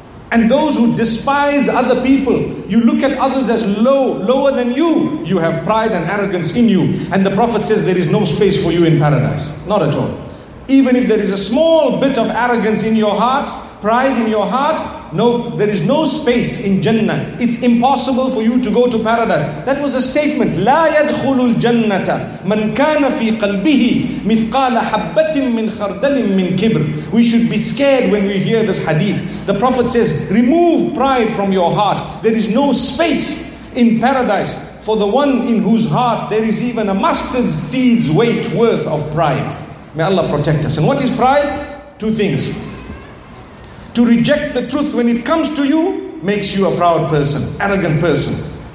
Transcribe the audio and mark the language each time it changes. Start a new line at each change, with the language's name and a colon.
English: And those who despise other people, you look at others as low, lower than you, you have pride and arrogance in you. And the Prophet says there is no space for you in paradise. Not at all. Even if there is a small bit of arrogance in your heart, pride in your heart, no, there is no space in Jannah. It's impossible for you to go to paradise. That was a statement.
Arabic: لا يدخل الجنة من كان في قلبه مثقال حبة من خردل من كبر.
English: We should be scared when we hear this hadith. The Prophet says, remove pride from your heart. There is no space in paradise for the one in whose heart there is even a mustard seed's weight worth of pride. May Allah protect us. And what is pride? Two things. To reject the truth when it comes to you makes you a proud person, arrogant person.